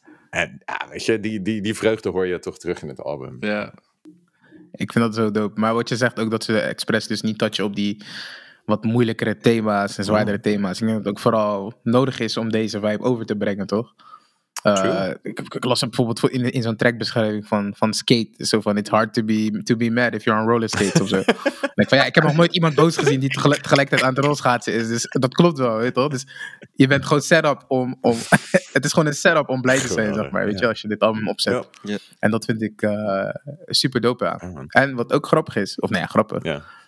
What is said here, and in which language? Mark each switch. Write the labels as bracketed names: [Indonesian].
[Dutch] En ja, weet je, die vreugde hoor je toch terug in het album. Ja. Yeah. Ik vind dat zo dope. Maar wat je zegt ook, dat ze expres dus niet touchen op die wat moeilijkere thema's en zwaardere thema's. Ik denk dat het ook vooral nodig is om deze vibe over te brengen, toch? Ik las het bijvoorbeeld in zo'n trackbeschrijving van Skate. Zo van, [English] it's hard to be mad if you're on roller skates [Dutch] of zo. Like, van, ja, ik heb nog nooit iemand boos gezien die tegelijkertijd aan het rolschaatsen is. Dus dat klopt wel, weet je toch? Dus je bent gewoon set up om het is gewoon een set up om blij te zijn, zeg maar. Weet je, als je dit album opzet. Yep. Yep. En dat vind ik super dope aan. Uh-huh. En wat ook grappig is, grappig. Yeah.